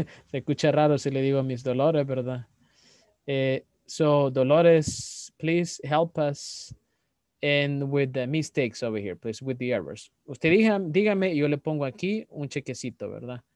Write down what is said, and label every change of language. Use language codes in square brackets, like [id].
[es] Se escucha raro si le digo Miss Dolores, ¿verdad? [en] So Dolores, please help us. And with the mistakes over here, please, with the errors. [es] Usted dígame, yo le pongo aquí un chequecito, ¿verdad?